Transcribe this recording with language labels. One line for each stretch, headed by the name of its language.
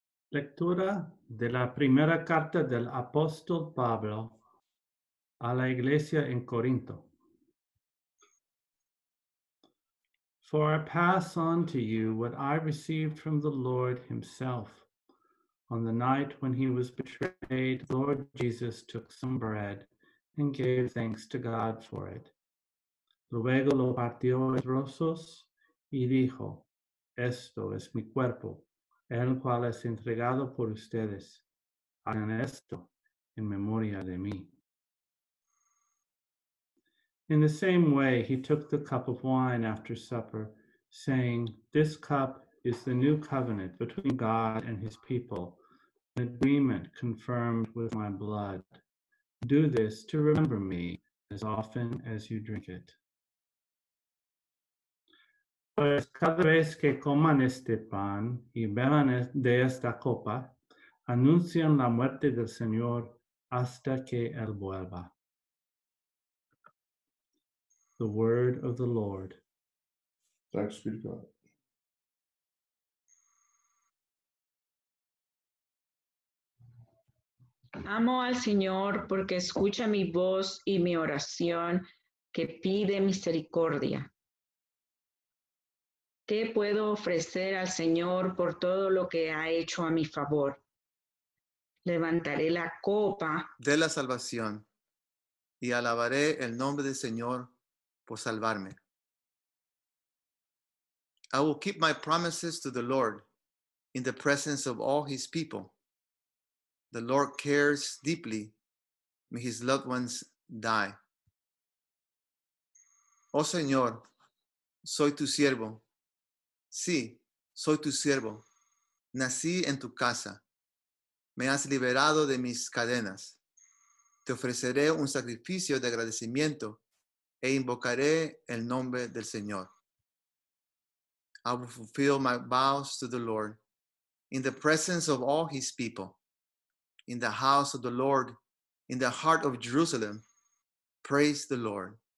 Spanish: Lectura de la primera carta del apóstol Pablo a la iglesia en Corinto.
English: For I pass on to you what I received from the Lord himself. On the night when he was betrayed, the Lord Jesus took some bread and gave thanks to God for it.
Spanish: Luego lo partió en trozos y dijo, esto es mi cuerpo, el cual es entregado por ustedes. Hagan esto en memoria de mí. In the same way, he took the cup of wine after supper, saying, this cup is the new covenant between God and his people, an agreement confirmed with my blood. Do this to remember me as often as you drink it. Pues cada vez que coman este pan y beban de esta copa, anuncian la muerte del Señor hasta que Él vuelva.
English: The word of the Lord. Thanks be to God.
Spanish: Amo al Señor porque escucha mi voz y mi oración que pide misericordia. ¿Qué puedo ofrecer al Señor por todo lo que ha hecho a mi favor? Levantaré la copa de la salvación y alabaré el nombre del Señor por salvarme.
English: I will keep my promises to the Lord in the presence of all his people. The Lord cares deeply. May his loved ones die.
Spanish: Oh Señor, soy tu siervo. Sí, soy tu siervo. Nací en tu casa. Me has liberado de mis cadenas. Te ofreceré un sacrificio de agradecimiento e invocaré el nombre del Señor.
English: I will fulfill my vows to the Lord in the presence of all his people, in the house of the Lord, in the heart of Jerusalem. Praise the Lord.